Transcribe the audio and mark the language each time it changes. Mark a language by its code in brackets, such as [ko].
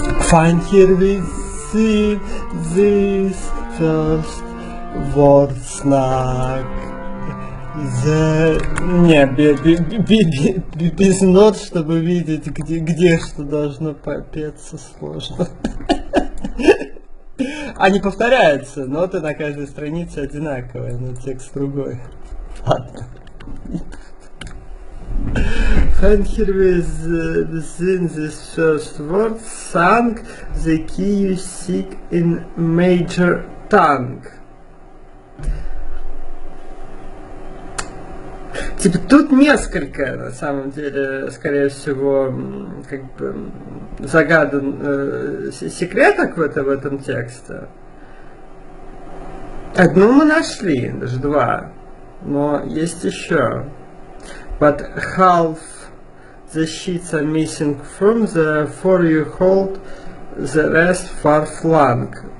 [en] Find here we see this first word snack. The... [ru] Не, без нот, чтобы видеть, где что должно попеться, сложно. Они повторяются, ноты на каждой странице одинаковые, но текст другой. Ладно. [en] And here is in this first word, sung, the key you seek in major tongue. [ru] Типа, тут несколько, на самом деле, скорее всего, как бы, загадан секреток в этом тексте. Одну мы нашли, даже два, но есть еще. [en] But half the sheets are missing from the four you hold, the rest far flung.